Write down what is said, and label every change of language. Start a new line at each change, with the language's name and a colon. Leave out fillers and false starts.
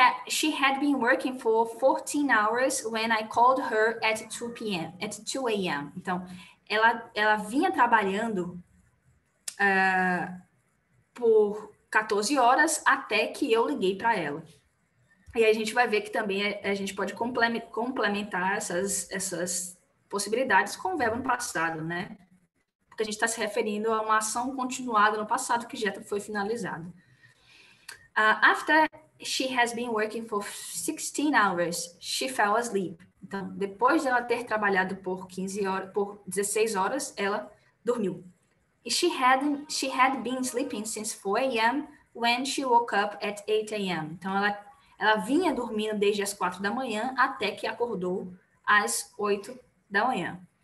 English: She had been working for 14 hours when I called her at 2 p.m., at 2 a.m.
Portuguese: Então, ela vinha trabalhando por 14 horas até que eu liguei para ela. E a gente vai ver que também a gente pode complementar essas possibilidades com o verbo no passado, né? Porque a gente está se referindo a uma ação continuada no passado que já foi finalizada.
English: After she has been working for 16 hours, she fell asleep.
Portuguese: Então, depois dela ter trabalhado por 15 horas, por 16 horas, ela dormiu.
English: She had been sleeping since 4 a.m. when she woke up at 8 a.m.
Portuguese: Então, ela vinha dormindo desde as 4 da manhã até que acordou às 8 da manhã.